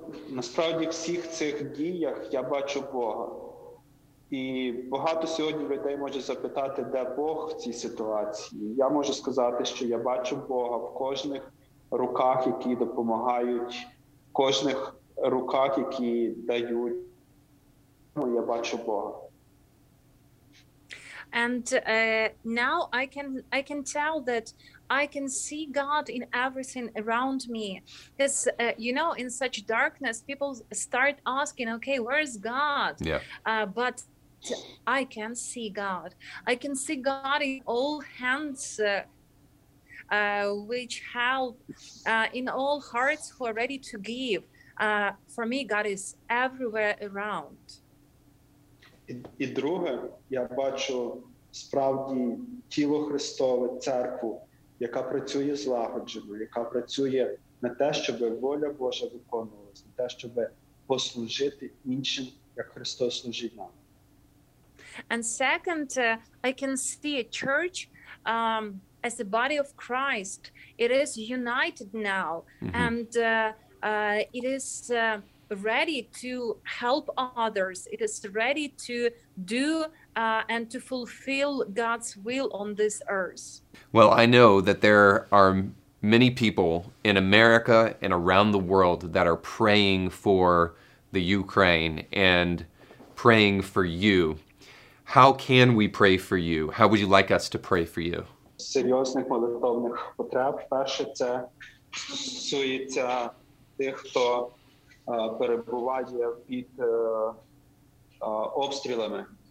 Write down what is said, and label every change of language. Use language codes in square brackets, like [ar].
[uk] Насправді, в всіх цих діях я бачу Бога. І багато сьогодні людей може запитати, де Бог в цій ситуації. Я можу сказати, що я бачу Бога в кожних руках, які допомагають, в кожних руках, які дають. Я бачу Бога. [en] And now I can tell that I can see God in everything around me. Because, you know, in such darkness, people start asking, okay, where is God? Yeah. But I can see God. I can see God in all hands which help, in all hearts who are ready to give. For me, God is everywhere around. [uk] І друге, я бачу справді тіло Христове, церкву, яка працює злагоджено, яка працює на те, щоб воля Божа виконувалась, на те, щоб послужити іншим, як Христос служить нам. [en] And second, I can see a church as the body of Christ. It is united now, mm-hmm. and it is ready to help others. It is ready to do and to fulfill God's will on this earth. Well, I know that there are many people in America and around the world that are praying for the Ukraine and praying for you. How can we pray for you? How would you like us to pray for you? [uk] Серйозних молитовних потреб. Перше, це суєта тих, хто перебуває під обстрілами.